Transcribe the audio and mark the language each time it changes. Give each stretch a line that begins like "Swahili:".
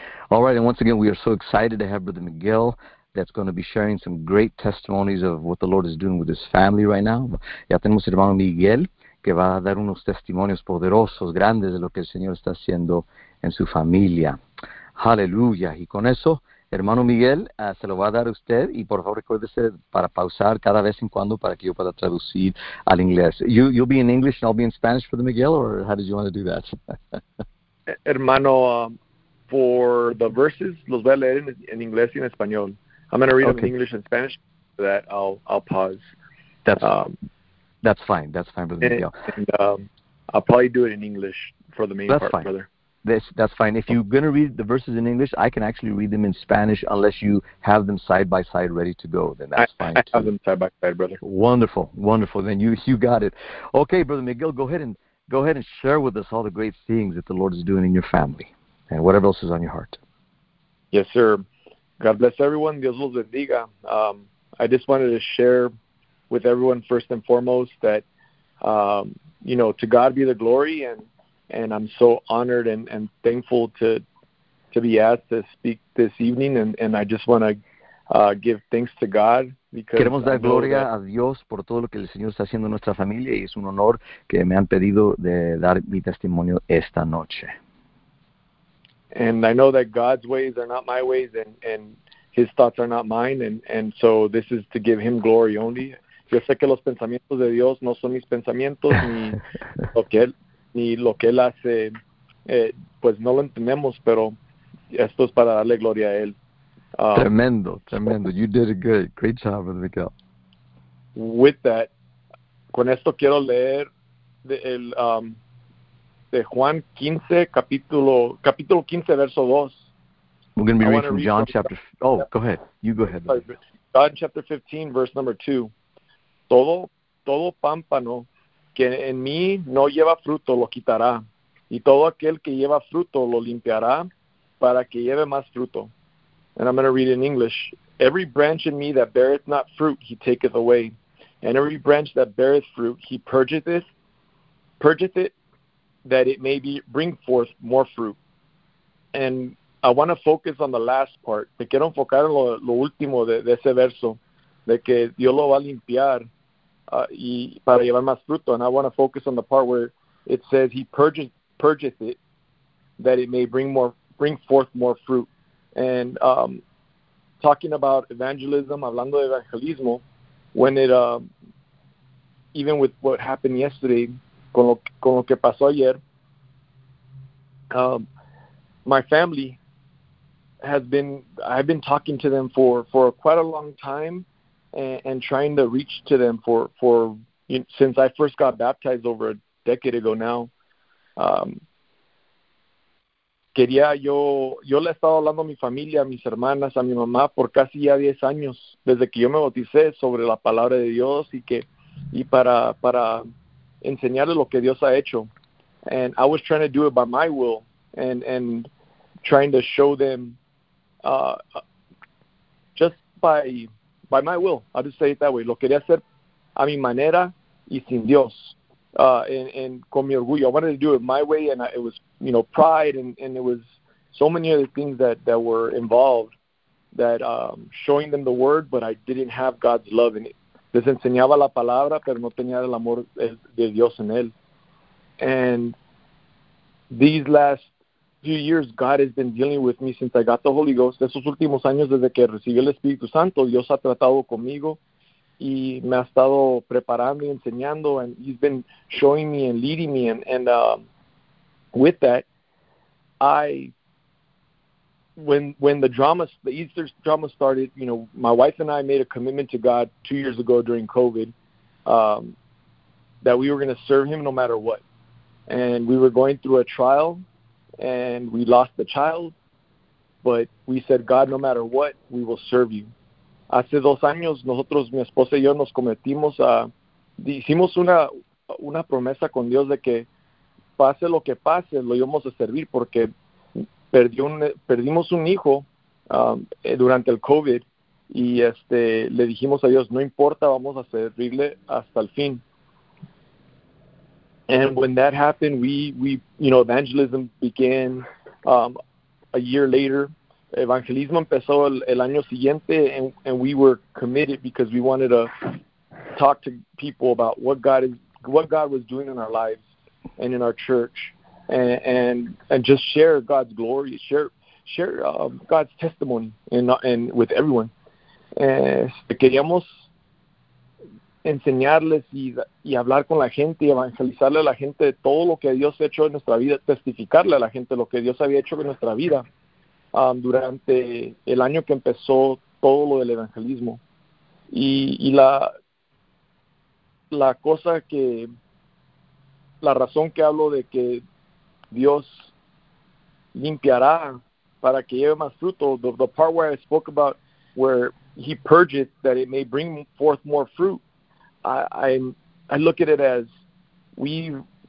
English: All right, and once again, we are so excited to have Brother Miguel that's going to be sharing some great testimonies of what the Lord is doing with his family right now.
Spanish: Ya tenemos hermano Miguel que va a dar unos testimonios poderosos, grandes de lo que el Señor está haciendo en su familia. Aleluya. Y con eso, hermano Miguel, se lo va a dar a usted. Y por favor, recuérdese para pausar cada vez en cuando para que yo pueda traducir al inglés.
English: You'll be in English and I'll be in Spanish for the Miguel, or how did you want to do that?
Spanish: Hermano,
English: for the verses,
Spanish: los voy a leer en inglés y en español.
English: I'm going to read them in English and Spanish, so that I'll pause. That's fine, Brother Miguel. I'll probably do it in English for the main that's part, fine. Brother. That's fine. If you're going to read the verses in English, I can actually read them in Spanish unless you have them side by side ready to go. Then that's fine, too. I have them side by side, Brother. Wonderful, wonderful. Then you got it. Okay, Brother Miguel, go ahead and share with us all the great things that the Lord is doing in your family and whatever else is on your heart. Yes, sir. God bless everyone.
Spanish: Dios los bendiga.
English: I just wanted to share with everyone first and foremost that, you know, to God be the glory, and I'm so honored and thankful to be asked to speak this evening, and I just want to give thanks to God.
Spanish: Queremos dar gloria a Dios por todo lo que el Señor está haciendo en nuestra familia, y es un honor que me han pedido de dar mi testimonio esta noche.
English: And I know that God's ways are not my ways, and his thoughts are not mine, and so this is to give him glory only.
Spanish: Yo sé que los pensamientos de Dios no son mis pensamientos, ni lo que él hace, pues no lo entendemos, pero esto es para darle gloria a él. Tremendo, tremendo.
English: You did it good. Great job, Brother Miguel. With that,
Spanish: con esto quiero leer de Juan 15, capítulo 15, verso 2.
English: We're going to be reading from John chapter... Oh, go ahead. You go ahead. John chapter 15, verse number 2.
Spanish: Todo pámpano que en mí no lleva fruto lo quitará, y todo aquel que lleva fruto lo limpiará para que lleve más fruto.
English: And I'm going to read in English. Every branch in me that beareth not fruit, he taketh away. And every branch that beareth fruit, he purgeth it, that it may bring forth more fruit. And I want to focus on the last part.
Spanish: Me quiero enfocar en lo último de ese verso, de que Dios lo va a limpiar y para llevar más fruto.
English: And I want to focus on the part where it says he purgeth it, that it may bring forth more fruit. And talking about evangelism,
Spanish: hablando de evangelismo,
English: when it, even with what happened yesterday,
Spanish: con lo que pasó ayer,
English: my family has been, I've been talking to them for quite a long time and trying to reach to them for you know, since I first got baptized over a decade ago now.
Spanish: Quería yo le he estado hablando a mi familia, a mis hermanas, a mi mamá por casi ya 10 años desde que yo me bauticé sobre la palabra de Dios y para enseñarle lo que Dios ha hecho.
English: And I was trying to do it by my will and trying to show them just by my will. I'll just say it that way.
Spanish: Lo quería hacer a mi manera y sin Dios.
English: And
Spanish: con mi orgullo,
English: I wanted to do it my way, and it was, you know, pride, and it was so many other things that were involved, that showing them the word, but I didn't have God's love in it.
Spanish: Les enseñaba la palabra, pero no tenía el amor de Dios en él.
English: And these last few years, God has been dealing with me since I got the Holy Ghost.
Spanish: Esos últimos años, desde que recibí el Espíritu Santo, Dios ha tratado conmigo. Y me ha estado preparando y enseñando,
English: and he's been showing me and leading me, and with that, when the Easter drama started, you know, my wife and I made a commitment to God 2 years ago during COVID, that we were going to serve him no matter what, and we were going through a trial, and we lost the child, but we said, God, no matter what, we will serve you.
Spanish: Hace 2 años, nosotros, mi esposa y yo, nos cometimos a... Hicimos una promesa con Dios de que, pase lo que pase, lo íbamos a servir, porque perdimos un hijo durante el COVID, y le dijimos a Dios, no importa, vamos a servirle hasta el fin.
English: And when that happened, we, you know, evangelism began. a year later.
Spanish: Evangelismo empezó el año siguiente,
English: and we were committed because we wanted to talk to people about what God was doing in our lives and in our church, and just share God's glory, share God's testimony and with everyone.
Spanish: Queríamos enseñarles y hablar con la gente y evangelizarle a la gente de todo lo que Dios ha hecho en nuestra vida, testificarle a la gente lo que Dios había hecho en nuestra vida durante el año que empezó todo lo del evangelismo. Y la cosa que, la razón que hablo de que Dios limpiará para que lleve más fruto,
English: the part where I spoke about where he purges that it may bring forth more fruit, I look at it as we've